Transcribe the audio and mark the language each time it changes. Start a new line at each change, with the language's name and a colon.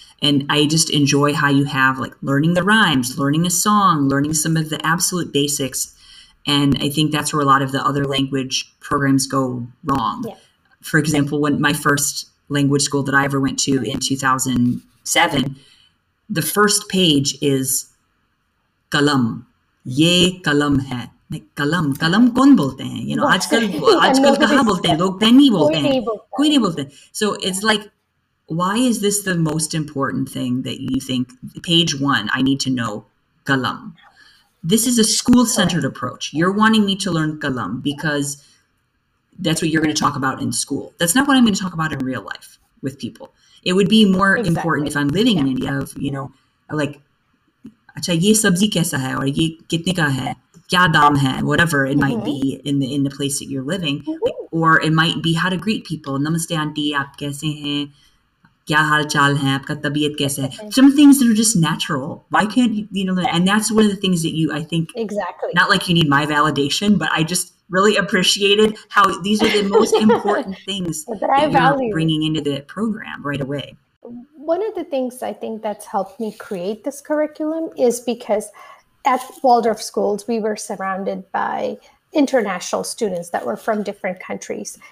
English: And I just enjoy how you have like learning the rhymes, learning a song, learning some of the absolute basics. And I think that's where a lot of the other language programs go wrong. Yeah. For example, when my first language school that I ever went to in 2007, the first page is kalam.
Hindi: ये कलम है।
English: Like
Hindi: कलम. कलम कोन बोलते हैं?
English: You know,
Hindi: आजकल कहा बोलते हैं? लोग pen नहीं बोलते हैं. कोई नहीं बोलते.
English: So it's like, why is this the most important thing that you think? Page one, I need to know kalam. This is a school-centered approach. You're wanting me to learn Kalam because that's what you're going to talk about in school. That's not what I'm going to talk about in real life with people. It would be more important if I'm living in India, of, you know, like,
Hindi: अचा ये सब्ज़ी कैसा है और ये कितने का है, क्या दम है,
English: whatever it might be in the place that you're living. Mm-hmm. Or it might be how to greet people.
Hindi: नमस्ते आंटी, आप कैसे हैं? क्या हल चल है? आपका तबियत कैसे है?
English: Some things that are just natural. Why can't you, you know, and that's one of the things that you, I think, not like you need my validation, but I just really appreciated how these are the most important things that you're bringing into the program right away. One of the things I think that's helped me create this curriculum is because at Waldorf schools, we were surrounded by international students that were from different countries.